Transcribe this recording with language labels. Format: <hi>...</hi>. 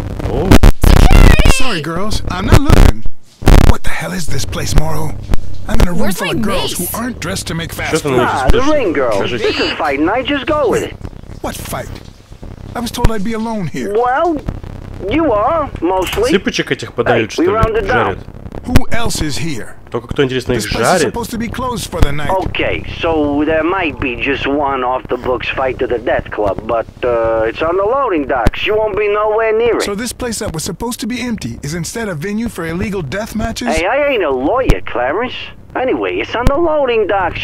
<en>Oh. Security! Sorry, girls, I'm not looking. What the hell is this place, Morrow? I'm in a room full of girls who aren't dressed to make fast food. The ring girls. This is fighting. I just go with it. What fight? I was told I'd be alone here. Well, you are, mostly.</en> <ru>Сыпочек этих подают, что ли?</ru> <en>We rounded down. Who else is here?</en> <ru>Только кто, интересно, их жарит?</ru> <en>This place is supposed to be closed for the night. Okay, so there might be just one off-the-books fight to the death club, but it's on the loading docks. You won't be nowhere near it. So this place that was supposed to be empty is instead a venue for illegal death matches? Hey, I ain't a lawyer, Clarence. Anyway, it's on the loading docks.</en>